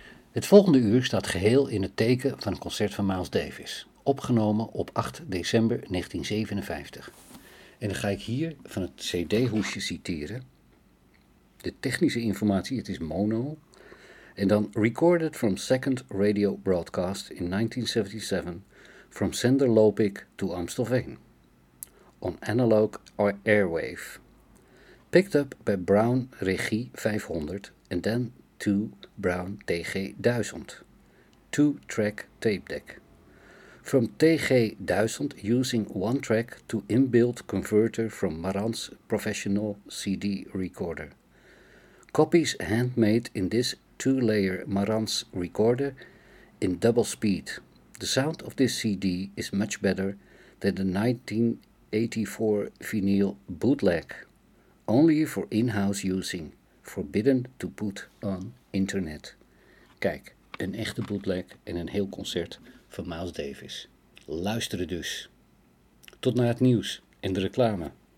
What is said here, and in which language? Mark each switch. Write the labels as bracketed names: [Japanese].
[Dutch] Het volgende uur staat geheel in het teken van een concert van Miles Davis, opgenomen op 8 december 1957. En dan ga ik hier van het cd-hoesje citeren. De technische informatie, het is mono. En dan [English] recorded from second radio broadcast in 1977 from sender Lopik to Amstelveen. On analog or airwave. Picked up by Brown Regie 500 and then to Brown TG-1000. Two-track tape deck. From TG-1000 using one track to inbuilt converter from Marantz Professional CD recorder. Copies handmade in this two-layer Marantz recorder in double speed. The sound of this CD is much better than the 1984 vinyl bootleg, only for in-house using, forbidden to put on internet. [Dutch] Kijk, een echte bootleg en een heel concert van Miles Davis. Luisteren dus. Tot na het nieuws en de reclame.